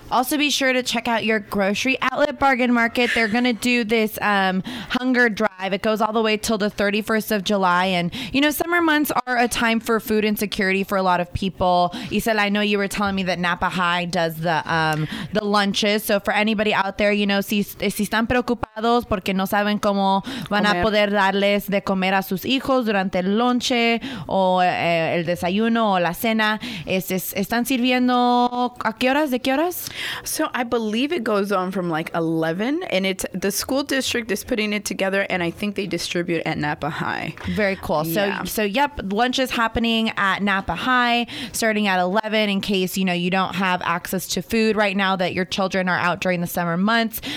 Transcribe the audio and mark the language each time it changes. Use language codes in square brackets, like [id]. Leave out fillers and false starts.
[en] Also, be sure to check out your grocery outlet bargain market. They're going to do this hunger drive. It goes all the way till the 31st of July. And, you know, summer months are a time for food insecurity for a lot of people. Isel, I know you were telling me that Napa High does the lunches. So for anybody out there, you know, [es] si están preocupados porque no saben cómo van a poder darles de comer a sus hijos durante el lonche o el desayuno o la cena, están sirviendo... ¿A qué horas? ¿De qué horas? [en] So I believe it goes on from like 11, and it's the school district is putting it together, and I think they distribute at Napa High. Very cool. Yeah. So yep, lunch is happening at Napa High starting at 11 in case, you know, you don't have access to food right now that your children are out during the summer months.